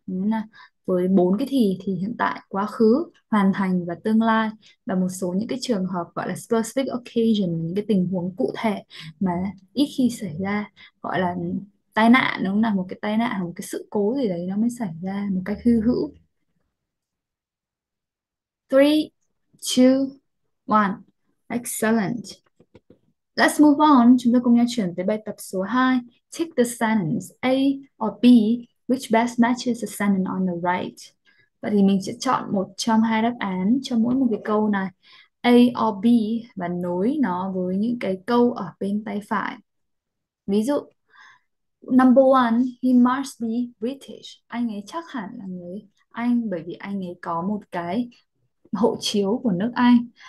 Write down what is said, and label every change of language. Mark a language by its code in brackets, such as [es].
[vi] Đúng là với bốn cái thì hiện tại, quá khứ, hoàn thành và tương lai, và một số những cái trường hợp gọi là specific occasion, những cái tình huống cụ thể mà ít khi xảy ra, gọi là tai nạn, đúng không nào, một cái tai nạn hoặc một cái sự cố gì đấy nó mới xảy ra một cách hư hữu. [en] 3, 2, 1. Excellent. Let's move on. [vi] Chúng ta cùng nhau chuyển tới bài tập số 2. [en] Take the sentence A or B, which best matches the sentence on the right. [vi] Vậy thì mình sẽ chọn một trong hai đáp án cho mỗi một cái câu này, A or B, và nối nó với những cái câu ở bên tay phải. Ví dụ, [en] number one, he must be British. [vi] Anh ấy chắc hẳn là người Anh, bởi vì anh ấy có một cái hộ chiếu của nước Anh.